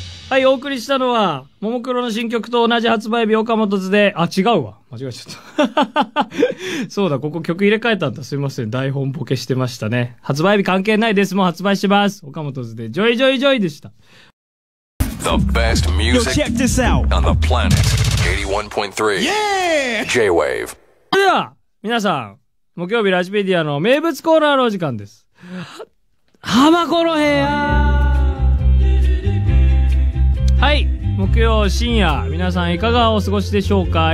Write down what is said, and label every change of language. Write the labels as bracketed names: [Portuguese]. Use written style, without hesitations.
[Japanese] はい、お送りしたのはももクロの新曲と同じ発売日岡本図で、あ、違うわ、間違えちゃったそうだ、ここ曲入れ替えたんだ、すいません、台本ボケしてましたね。発売日関係ないです、もう発売します。岡本図でジョイジョイジョイでした。 [English] The best music. Yo, check this out. On the planet 81.3 Yeah! J-Wave。 [Japanese] では皆さん、木曜日ラジペディアの名物コーナーの時間です。浜子の部屋。はい、木曜深夜、皆さんいかがお過ごしでしょうか。